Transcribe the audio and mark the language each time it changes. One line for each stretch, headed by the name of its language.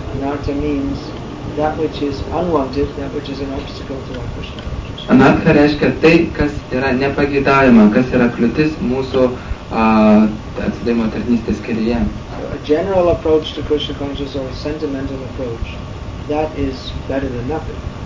English: Anartha means that which is unwanted, that which is an obstacle to our Krishna.
Lithuanian: Anartha reiškia tai, kas yra nepageidaujama, kas yra kliūtis mūsų atsidėjimo tarnystės kelyje.
English: A general approach to Krishna consciousness or a sentimental approach, that is better than nothing.